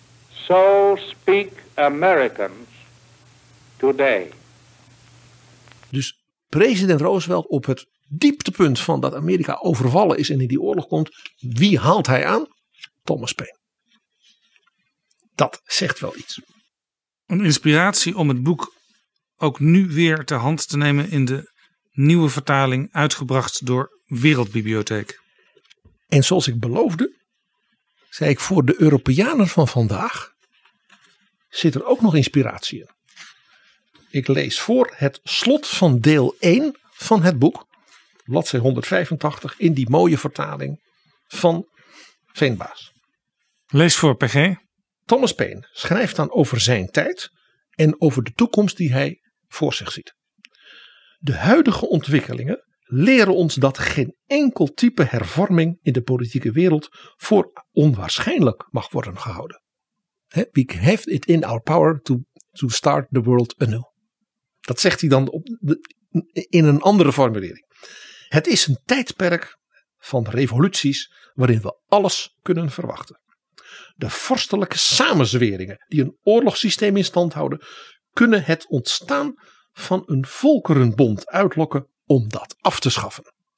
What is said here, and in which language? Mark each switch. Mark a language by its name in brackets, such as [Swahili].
[English] So speak Americans today. [Dutch] Dus president Roosevelt op het dieptepunt van dat Amerika overvallen is en in die oorlog komt, wie haalt hij aan? Thomas Paine. Dat zegt wel iets. Een inspiratie om het boek ook nu weer ter hand te nemen in de nieuwe vertaling uitgebracht door Wereldbibliotheek. En zoals ik beloofde, zei ik voor de Europeanen van vandaag, zit er ook nog inspiratie in. Ik lees voor het slot van deel 1 van het boek, bladzij 185, in die mooie vertaling van Veenbaas. Lees voor, PG. Thomas Paine schrijft dan over zijn tijd en over de toekomst die hij voor zich ziet. De huidige ontwikkelingen leren ons dat geen enkel type hervorming in de politieke wereld voor onwaarschijnlijk mag worden gehouden. [English] We have it in our power to start the world anew. [Dutch] Dat zegt hij dan in een andere formulering. Het is een tijdperk van revoluties waarin we alles kunnen verwachten. De vorstelijke samenzweringen die een oorlogssysteem in stand houden, kunnen het ontstaan van een volkerenbond uitlokken om dat af te schaffen.